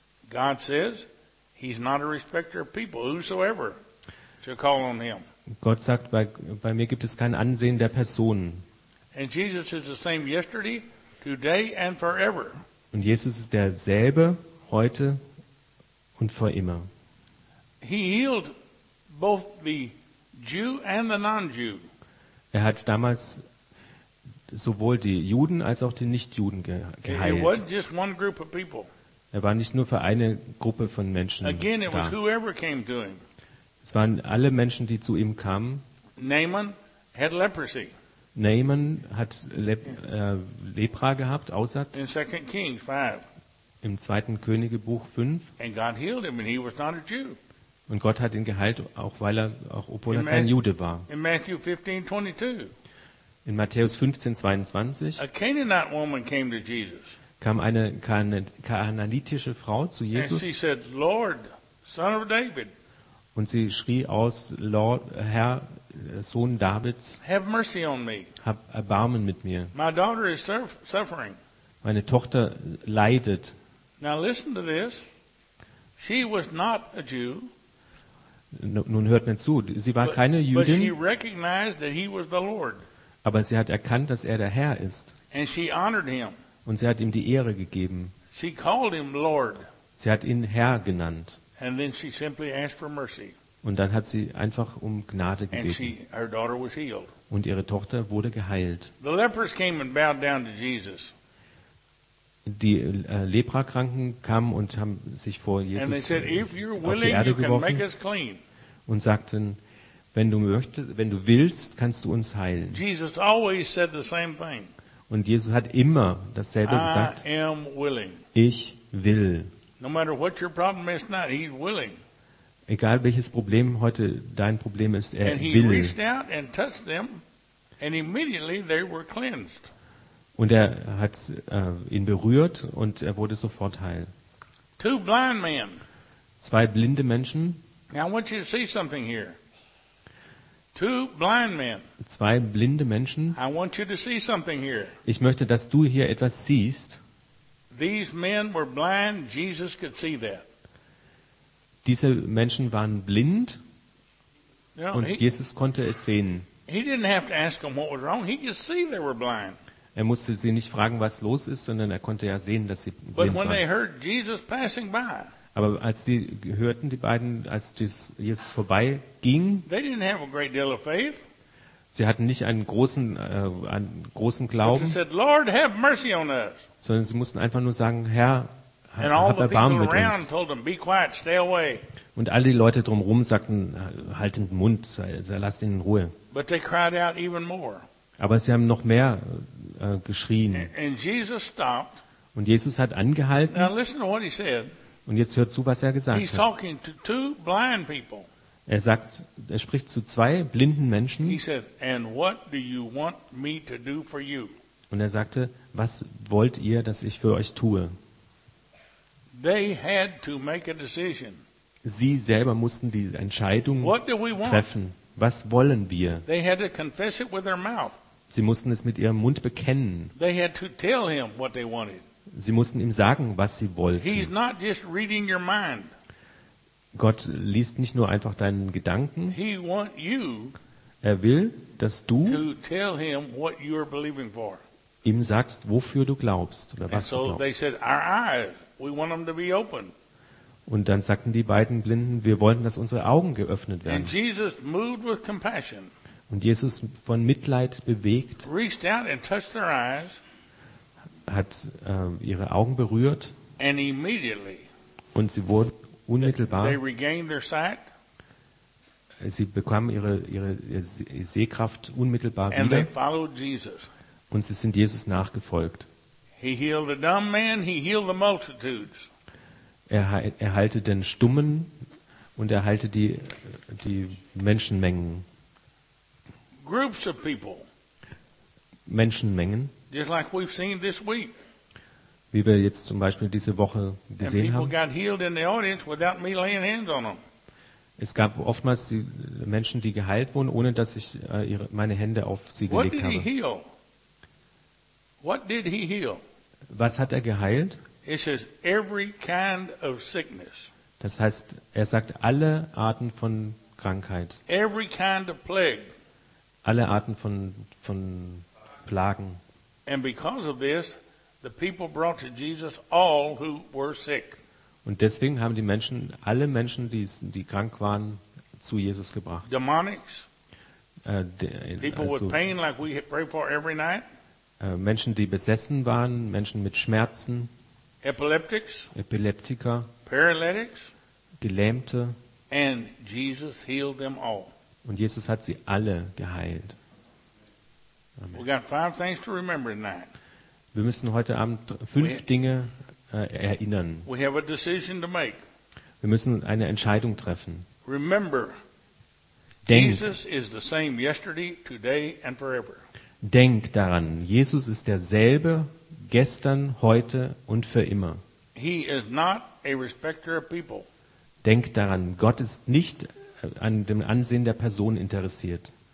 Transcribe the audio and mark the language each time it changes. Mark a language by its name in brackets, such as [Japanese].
[English] God says, he's not a respecter of people. Whosoever shall call on him. [German] Gott sagt, bei mir gibt es kein Ansehen der Personen. [English] And Jesus is the same yesterday, today, and forever. [German] Und Jesus ist derselbe heute und für immer. [English] He healed both the Jew and the non-Jew. [German] Er hat damals sowohl die Juden als auch die Nicht-Juden geheilt. [English] It wasn't just one group of people. [German] Er war nicht nur für eine Gruppe von Menschen da. [English] Again, it was whoever came to him. [German] Es waren alle Menschen, die zu ihm kamen. [English] Naaman had leprosy. [German] Naaman hat Lepra gehabt, Aussatz. [English] In 2 Kings 5. [German] Im 2. Königebuch 5. [English] And God healed him, and he was not a Jew. [German] Und Gott hat ihn geheilt, obwohl er kein Jude war. [English] In Matthew 15, 22. [German] In Matthäus 15, 22. [English] A Canaanite woman came to Jesus. [German] Kam eine kanaanitische Frau zu Jesus. [English] And she said, Lord, son of David. [German] Und sie schrie aus, Lord, Herr, Sohn Davids. [English] Have mercy on me. [German] Hab Erbarmen mit mir. [English] My daughter is suffering. [German] Meine Tochter leidet. [English] Now listen to this. She was not a Jew. [German] Nun hört mir zu, sie war keine Jüdin, [English] but she recognized that he was the Lord. [German] Aber sie hat erkannt, dass er der Herr ist. [English] And she honored him. [German] Und sie hat ihm die Ehre gegeben. [English] She called him Lord. [German] Sie hat ihn Herr genannt. [English] And then she simply asked for mercy. [German] Und dann hat sie einfach um Gnade gebeten. [English] And her daughter was healed. [German] Und ihre Tochter wurde geheilt. [English] The lepers came and bowed down to Jesus. [German] Die Leprakranken kamen und haben sich vor Jesus [English] and they said, if you're willing, [German] auf die Erde geworfen. [English] You can make us clean. [German] Und sagten, wenn du willst, kannst du uns heilen. [English] Jesus always said the same thing. [German] Und Jesus hat immer dasselbe gesagt. [English] I am willing. [German] Ich will. [English] No matter what your problem is not, he's willing. [German] Egal welches Problem heute dein Problem ist, er [English] and [German] will. [English] He reached out and touched them, and immediately they were cleansed. [German] Und er hat ihn berührt und er wurde sofort heil. [English] Two blind men. [German] Zwei blinde Menschen. [English] Now I want you to see something here. Two blind men. [German] Zwei blinde Menschen. [English] I want you to see something here. [German] Ich möchte, dass du hier etwas siehst. [English] These men were blind. Jesus could see that. [German] Diese Menschen waren blind. Und Jesus konnte es sehen. [English] He didn't have to ask them what was wrong. He could see they were blind. [German] Er musste sie nicht fragen, was los ist, sondern er konnte ja sehen, dass sie blind waren. [English] But when they heard Jesus passing by. [German] Aber als die hörten, die beiden, als Jesus vorbeiging, [English] they didn't have a great deal of faith. [German] Sie hatten nicht einen großen Glauben. [English] But they said, Lord, have mercy on us. [German] Sondern sie mussten einfach nur sagen, Herr, hab Erbarmen mit uns. [English] Told them, be quiet, stay away. [German] Und alle die Leute drumherum sagten, halt den Mund, lasst ihn in Ruhe. [English] But they cried out even more. [German] Aber sie haben noch mehr geschrien. [English] And Jesus stopped. [German] Und Jesus hat angehalten. [English] Now listen to what he said. [German] Und jetzt hört zu, was er gesagt [English] He's [German] hat. [English] Talking to two blind people. [German] Er spricht zu zwei blinden Menschen. [English] He said, and what do you want me to do for you? [German] Und er sagte, was wollt ihr, dass ich für euch tue? [English] They had to make a decision. [German] Sie selber mussten die Entscheidung treffen. Was wollen wir? [English] They had to confess it with their mouth. [German] Sie mussten es mit ihrem Mund bekennen. [English] They had to tell him what they wanted. [German] Sie mussten ihm sagen, was sie wollten. [English] He's not just reading your mind. [German] Gott liest nicht nur einfach deinen Gedanken. [English] He want you, [German] er will, dass du [English] to tell him what you are believing for. [German] Ihm sagst, wofür du glaubst oder was [English] so [German] du glaubst. [English] They said, our eyes, we want them to be open. [German] Und dann sagten die beiden Blinden, wir wollten, dass unsere Augen geöffnet werden. [English] And Jesus moved with compassion. [German] Und Jesus von Mitleid bewegt, [English] reached out and touched their eyes, [German] hat ihre Augen berührt [English] and immediately, [German] und sie wurden unmittelbar. [English] They regained their sight, [German] sie bekamen ihre Sehkraft unmittelbar [English] and [German] wieder [English] they followed Jesus. [German] Und sie sind Jesus nachgefolgt. [English] He healed the dumb man, he healed the multitudes. [German] Er heilte den Stummen und er heilte die Menschenmengen. [English] Groups of people. [German] Menschenmengen. [English] Just like we've seen this week. [German] Wie wir jetzt zum Beispiel diese Woche gesehen [English] and people [German] haben. [English] Got healed in the audience without me laying hands on them. [German] Es gab oftmals die Menschen, die geheilt wurden, ohne dass ich meine Hände auf sie [English] What [German] gelegt habe. [English] He heal? What did he heal? [German] Was hat er geheilt? [English] It says every kind of sickness. [German] Das heißt, er sagt alle Arten von Krankheit. [English] Every kind of plague. [German] Alle Arten von Plagen. [English] And because of this, the people brought to Jesus all who were sick. [German] Und deswegen haben die Menschen, alle Menschen, die krank waren, zu Jesus gebracht. [English] Demonics. People with pain like we pray for every night. [German] Menschen, die besessen waren, Menschen mit Schmerzen. [English] Epileptics. [German] Epileptiker. [English] Paralytics. [German] Gelähmte. [English] And Jesus healed them all. [German] Und Jesus hat sie alle geheilt. [English] Amen. We got five things to remember tonight. [German] Wir müssen heute Abend fünf Dinge erinnern. [English] We have a decision to make. [German] Wir müssen eine Entscheidung treffen. [English] Remember, Jesus is the same yesterday, today and forever. [German] Denk daran, Jesus ist derselbe gestern, heute und für immer. [English] He is not a respecter of people. [German] Denk daran, Gott ist nicht an dem Ansehen der Person interessiert.